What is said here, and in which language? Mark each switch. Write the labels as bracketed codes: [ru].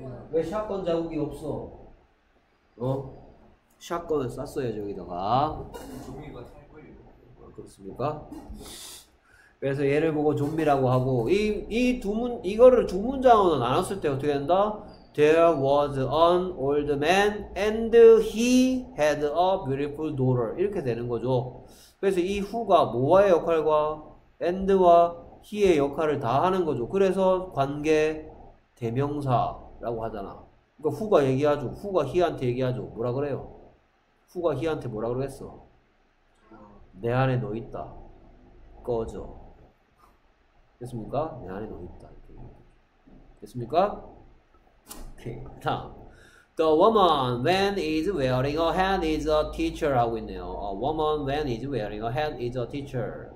[ko] 왜 샷건 자국이 없어? 어? 샷건을 쐈어요, 저기다가. 좀비가 그렇습니까? 그래서 얘를 보고 좀비라고 하고 이거를 두 문장으로 나눴을 때 어떻게 된다? [en] There was an old man and he had a beautiful daughter. [ko] 이렇게 되는 거죠. 그래서 이 who가 뭐와의 역할과 and와 he의 역할을 다 하는 거죠. 그래서 관계 대명사라고 하잖아. 그러니까 who가 얘기하죠. who가 he한테 얘기하죠. 뭐라 그래요? who가 he한테 뭐라 그러겠어? 내 안에 너 있다. 꺼져. 됐습니까? 내 안에 너 있다. 됐습니까? 오케이. 다음. [en] The woman when is wearing a hat is a teacher [ko] 하고 있네요. [en] A woman when is wearing a hat is a teacher.